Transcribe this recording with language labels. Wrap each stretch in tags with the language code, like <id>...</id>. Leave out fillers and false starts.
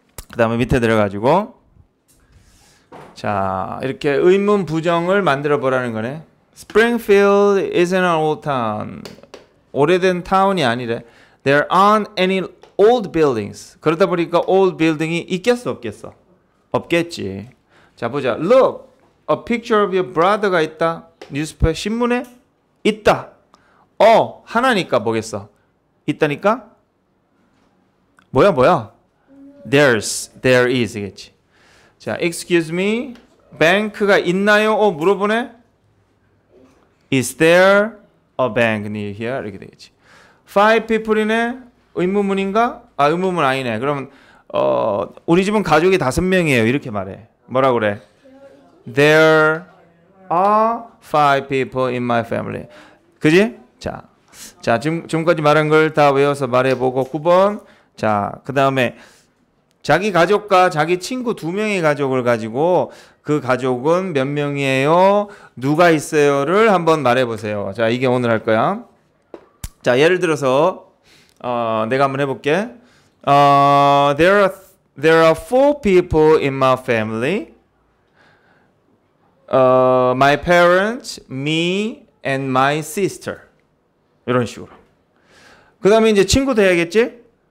<ko>그 다음에 밑에 들어가지고. 자, 이렇게 의문 부정을 만들어보라는 거네.</ko> <en>Springfield isn't an old town.</en> <ko>오래된 타운이 아니래.</ko> <en>There aren't any old buildings.</en> <ko>그러다 보니까 old building이 있겠어, 없겠어? 없겠지. 자, 보자.</ko> <en>Look, a picture of your brother가</en> <ko>있다. 뉴스페 신문에 있다. 하나니까 뭐겠어? 있다니까? 뭐야?</ko> <en>There's, there is겠지. 자, excuse me,</en> <ko>뱅크가 있나요? 어, 물어보네.</ko> <en>Is there a bank near here?</en> <ko>이렇게 되겠지.</ko> <en>Five people이네?</en> <ko>의문문인가? 아, 의문문 아니네. 그러면 어, 우리 집은 가족이 다섯 명이에요. 이렇게 말해. 뭐라 그래?</ko> <en>There are five people in my family.</en> <ko>그지? 자, 자 지금까지 말한 걸 다 외워서 말해보고 9번. 자, 그 다음에 자기 가족과 자기 친구 두 명의 가족을 가지고 그 가족은 몇 명이에요? 누가 있어요?를 한번 말해보세요. 자, 이게 오늘 할 거야. 자, 예를 들어서 내가 한번 해볼게.</ko> <en>There are four people in my family. My parents, me, and my sister.</en> <ko>이런 식으로. 그 다음에 이제 친구 돼야겠지?</ko>